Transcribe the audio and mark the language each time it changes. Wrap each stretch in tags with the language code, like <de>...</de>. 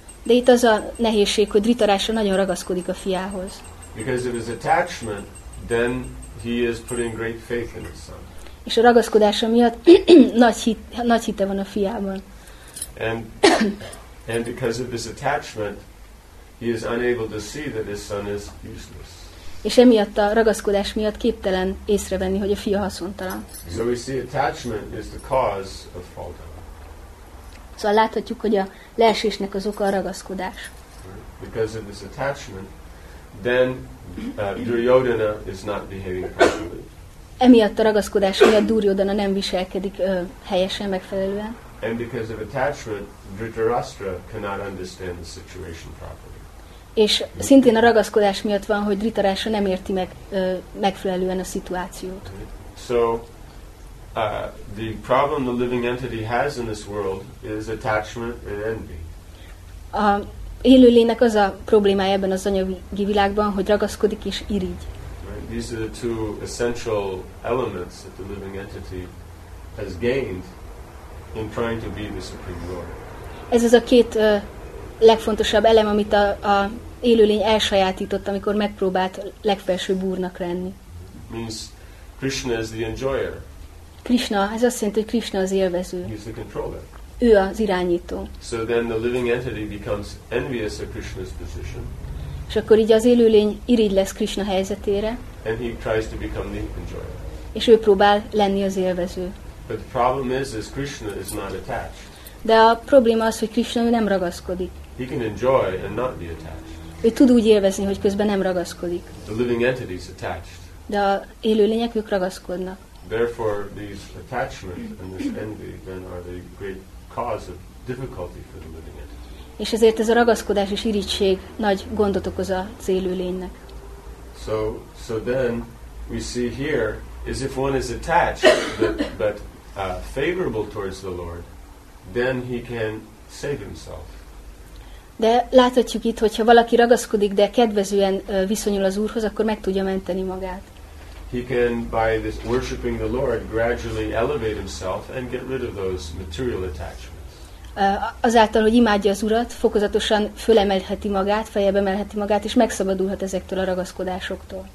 <hu>De itt az a nehézség, hogy Dhritarashtra nagyon ragaszkodik a fiához.</hu> <en>Because of his attachment, then he is putting great faith in his son.</en> <hu>És a ragaszkodása miatt nagy hite van a fiában.</hu> <en>And because of his attachment, he is unable to see that his son is useless.</en> <hu>És emiatt a ragaszkodás miatt képtelen észrevenni, hogy a fia haszontalan.</hu> <en>So we see attachment is the cause of fall down.</en> <hu>Szóval láthatjuk, hogy a leesésnek az oka a ragaszkodás.</hu> <en>Because of this attachment, then Duryodhana is not behaving properly.</en> <hu>Emiatt a ragaszkodás miatt Duryodhana nem viselkedik helyesen, megfelelően.</hu> <en>And because of attachment, Dhritarashtra cannot understand the situation properly.</en> <hu>És szintén a ragaszkodás miatt van, hogy Dhritarashtra nem érti meg megfelelően a szituációt.</hu> <en>So the problem the living entity has in this world is attachment and envy.</en> <hu>A élőlénynek az a problémája ebben az anyagi világban, hogy ragaszkodik és irigy.</hu> <en>Right? These are the two essential elements that the living entity has gained in trying to be the supreme lord.</en> <hu>Ez az a két legfontosabb elem, amit a élőlény elsajátított, amikor megpróbált legfelsőbb úrnak lenni.</hu> <en>Means Krishna is the enjoyer.</en> <hu>Krishna, ez azt jelenti, hogy Krishna az élvező.</hu> <en>He's the controller.</en> <hu>Ő az irányító.</hu> <en>So then the living entity becomes envious of Krishna's position.</en> <hu>És akkor így az élőlény irigy lesz Krishna helyzetére.</hu> <en>And he tries to become the enjoyer.</en> <hu>És ő próbál lenni az élvező.</hu> <en>But the problem is Krishna is not attached.</en> <hu>De a probléma az, hogy Krishna nem ragaszkodik.</hu> <en>He can enjoy and not be attached.</en> <hu>Ő tud úgy élvezni, hogy közben nem ragaszkodik.</hu> <en>The living entity is attached.</en> <hu>De a élőlények, ők ragaszkodnak.</hu> <en>Therefore, these attachments and this envy then are the great cause of difficulty for the living entity.</en> <hu>És ezért ez a ragaszkodás és irigység nagy gondot okoz az élőlénynek.</hu> <en>So then we see here is if one is attached but favorable towards the Lord, then he can save himself.</en> <hu>De láthatjuk itt, hogyha valaki ragaszkodik, de kedvezően viszonyul az Úrhoz, akkor meg tudja menteni magát.</hu> <en>He can, by this worshiping the Lord, gradually elevate himself and get rid of those material attachments.</en> <hu>Azáltal, hogy imádja az Urat, fokozatosan fölemelheti magát, feljebb emelheti magát, és megszabadulhat ezektől a ragaszkodásoktól.</hu>